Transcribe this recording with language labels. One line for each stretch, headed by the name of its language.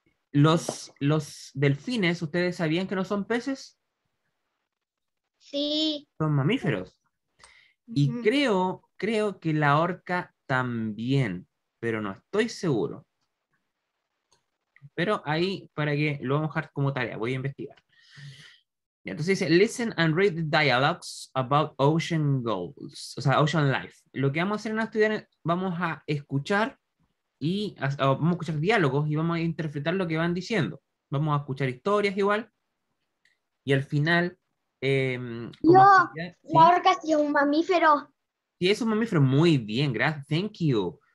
Spanish: Los delfines, ¿ustedes sabían que no son peces? Sí. Son mamíferos. Y uh-huh. creo que la orca también, pero no estoy seguro. Pero ahí, para que lo vamos a dejar como tarea, voy a investigar. Y entonces dice,
English: listen and read the dialogues about ocean goals,
Spanish: o sea,
English: ocean life.
Spanish: Lo que vamos a hacer en estudiar, vamos a escuchar y vamos a escuchar diálogos y vamos a interpretar lo que van diciendo. Vamos a escuchar historias igual. Y al final... La orca sí es un mamífero. Sí, es un mamífero. Muy bien, gracias.
English: Thank you.